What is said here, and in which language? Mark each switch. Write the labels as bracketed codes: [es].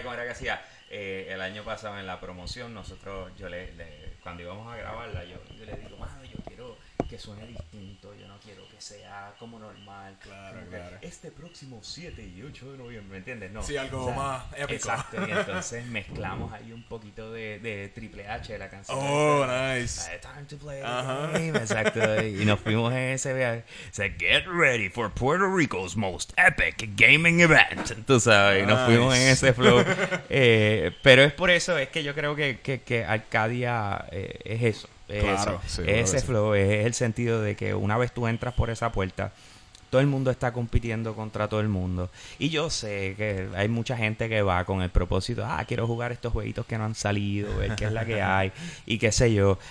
[es] Como era que hacía, el año pasado en la promoción, nosotros, cuando íbamos a grabarla, yo le digo, mano, yo quiero que suene distinto, yo no quiero que sea como normal. Claro, claro. Este próximo 7 y 8 de noviembre, ¿me entiendes? No, sí, algo o sea, más épico. Exacto, y entonces mezclamos ahí un poquito de Triple H, de la canción. Oh, de, [en] nice. Time to play. Uh-huh. [es] Game, exacto, y nos fuimos en ese viaje. [en] Dice, get ready for Puerto Rico's most epic gaming event. [es] Tú sabes, nice. Y nos fuimos en ese flow. Pero es por eso, es que yo creo que Arcadia es eso. Claro, sí, ese flow es el sentido de que una vez tú entras por esa puerta, todo el mundo está compitiendo contra todo el mundo. Y yo sé que hay mucha gente que va con el propósito, quiero jugar estos jueguitos que no han salido, ver qué es la que hay y qué sé yo.